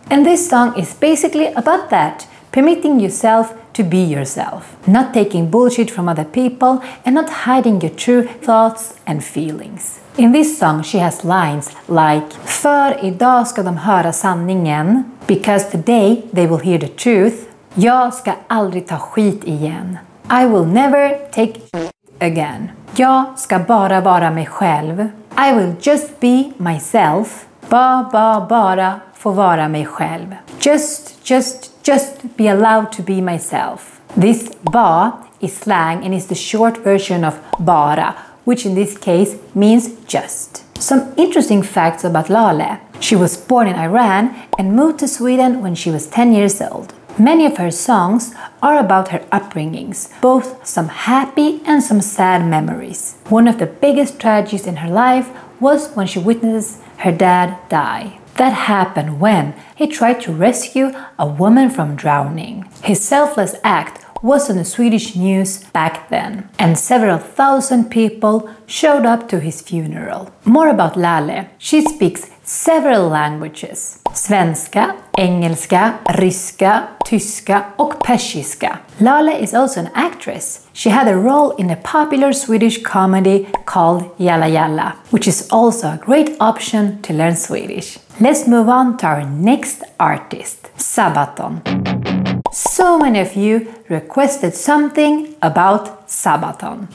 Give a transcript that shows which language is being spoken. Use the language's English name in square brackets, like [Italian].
[English] And this song is basically about that, permitting yourself to be yourself. Not taking bullshit from other people and not hiding your true thoughts and feelings. In this song she has lines like [Swedish] För idag ska de höra sanningen. [English] Because today they will hear the truth. [Swedish] Jag ska aldrig ta skit igen. [English] I will never take shit again. [Swedish] Jag ska bara vara mig själv. [English] I will just be myself. [Swedish] Bara få vara mig själv. [English] Just be allowed to be myself. This ba is slang and is the short version of bara, which in this case means just. Some interesting facts about Laleh. She was born in Iran and moved to Sweden when she was 10 years old. Many of her songs are about her upbringings, both some happy and some sad memories. One of the biggest tragedies in her life was when she witnessed her dad die. That happened when he tried to rescue a woman from drowning. His selfless act was on the Swedish news back then, and several thousand people showed up to his funeral. More about Laleh. She speaks several languages. [Swedish] Svenska, engelska, ryska, tyska och persiska. [English] Laleh is also an actress. She had a role in a popular Swedish comedy called Jalla Jalla, which is also a great option to learn Swedish. Let's move on to our next artist, Sabaton. So many of you requested something about Sabaton.